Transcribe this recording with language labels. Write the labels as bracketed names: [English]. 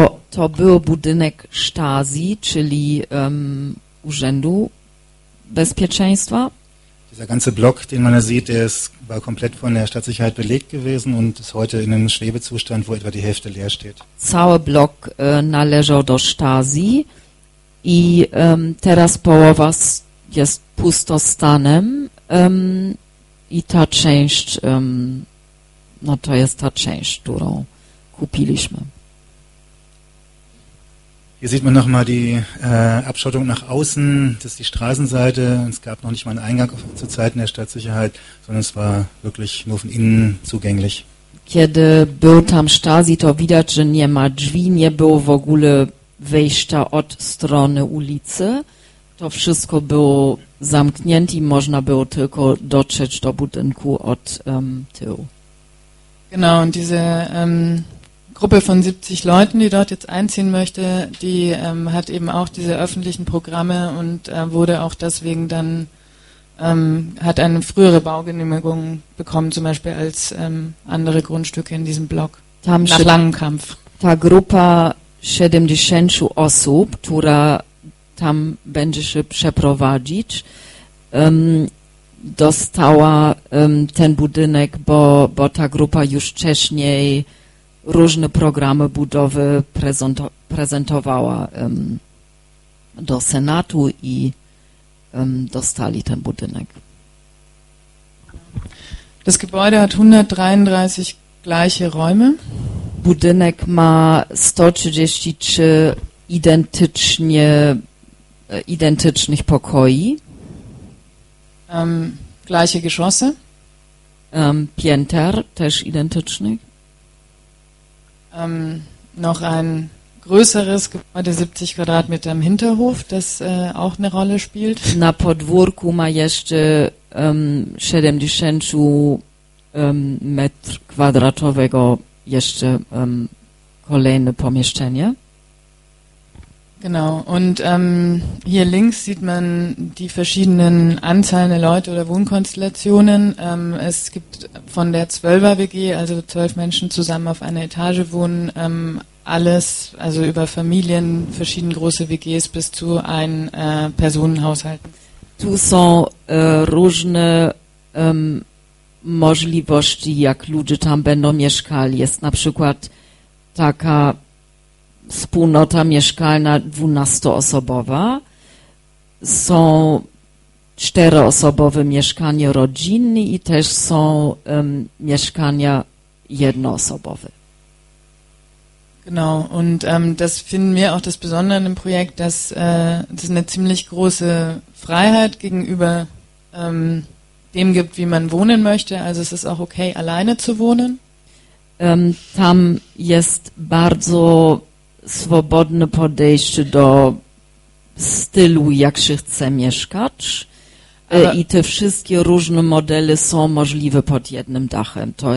[Polish] To był budynek Stasi, czyli Urzędu Bezpieczeństwa. [German] Dieser ganze Block, den man da sieht, der ist, war komplett von der Stadtsicherheit belegt gewesen und ist heute in einem Schwebezustand, wo etwa die Hälfte leer steht. [Polish] Cały blok należał do Stasi i teraz połowa jest pustostanem i ta część, no to jest ta część, którą kupiliśmy. [German] Hier sieht man nochmal die Abschottung nach außen, das ist die Straßenseite. Es gab noch nicht mal einen Eingang zu Zeiten der Stadtsicherheit, sondern es war wirklich nur von innen zugänglich. [Polish] Kiedy był tam Stasi, to widać, że nie ma drzwi, nie było w ogóle wejścia od strony ulicy. To wszystko było zamknięte i można było tylko dotrzeć do budynku od tyłu. [German] Genau, und diese Gruppe von 70 Leuten, die dort jetzt einziehen möchte, die hat eben auch diese öffentlichen Programme und wurde auch deswegen dann, hat eine frühere Baugenehmigung bekommen, zum Beispiel als andere Grundstücke in diesem Block, [Polish] tam [German] nach langem Kampf. [Polish] Ta grupa 70 osób, która tam będzie się przeprowadzić, dostała ten budynek, bo ta grupa już wcześniej różne programy budowy prezentowała do Senatu i dostali ten budynek. [German] Das Gebäude hat 133 gleiche Räume. [Polish] Budynek ma 133 identycznych pokoi. [German] Gleiche Geschosse. [Polish] Pięter też identycznych. [German] Noch ein größeres Gebäude, 70 Quadratmeter im Hinterhof, das auch eine Rolle spielt. [Polish] Na podwórku ma jeszcze 70 metr kwadratowego jeszcze kolejne pomieszczenie. [German] Genau, und hier links sieht man die verschiedenen Anzahlen der Leute oder Wohnkonstellationen. Es gibt von der 12er-WG, also 12 Menschen zusammen auf einer Etage wohnen, alles, also über Familien, verschieden große WGs bis zu ein Personenhaushalt. [Polish] Tu są różne możliwości, jak ludzie tam będą mieszkali. Jest na przykład taka wspólnota mieszkalna 12-osobowa, są 4-osobowe mieszkania rodzinne i też są mieszkania jednoosobowe. [German] Genau, und das finden wir auch das Besondere in dem Projekt, dass es eine ziemlich große Freiheit gegenüber dem gibt, wie man wohnen möchte. Also es ist auch okay, alleine zu wohnen. [Polish] Tam jest bardzo swobodne podejście do stylu, jak się chce mieszkać. I te wszystkie różne modele są możliwe pod jednym dachem.